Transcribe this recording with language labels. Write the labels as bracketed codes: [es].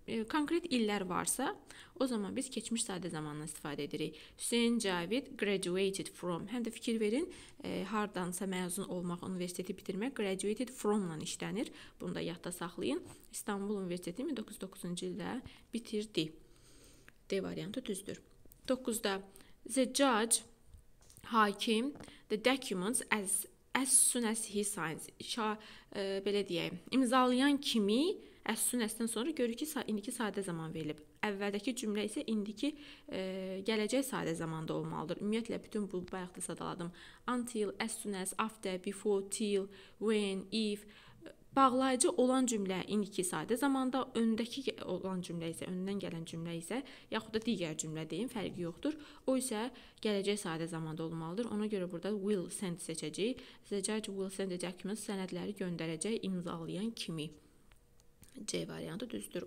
[az] konkret iller varsa, o zaman biz keçmiş sadə zamanla istifadə edirik. Hüseyin Cavid [en] graduated from. [az] Həm də fikir verin, hardansa məzun olmaq, universiteti bitirmək graduated from-la işlənir. Bunu da yadda saxlayın. İstanbul Universiteti 1909-cu ildə bitirdi. D variantı düzdür. [en] 9-da the judge, [az] hakim, [en] the documents as soon as he signs. [az] Belə deyək, imzalayan kimi [en] as soon as- [az] dən sonra görür ki, indiki sadə zaman verilib. Əvvəldəki cümlə isə indiki gələcək sadə zamanda olmalıdır. Ümumiyyətlə, bütün bu bayaq da sadaladım. [en] Until, as soon as, after, before, till, when, if. [az] Bağlayıcı olan cümlə indiki sadə zamanda, öndəki olan cümlə isə, öndən gələn cümlə isə, yaxud da digər cümlə deyim, fərqi yoxdur. O isə gələcək sadə zamanda olmalıdır. Ona görə burada [en] will send [az] seçəcək. [en] The judge will send the documents, [az] sənədləri göndərəcək imzalayan kimi. C variantı düzdür.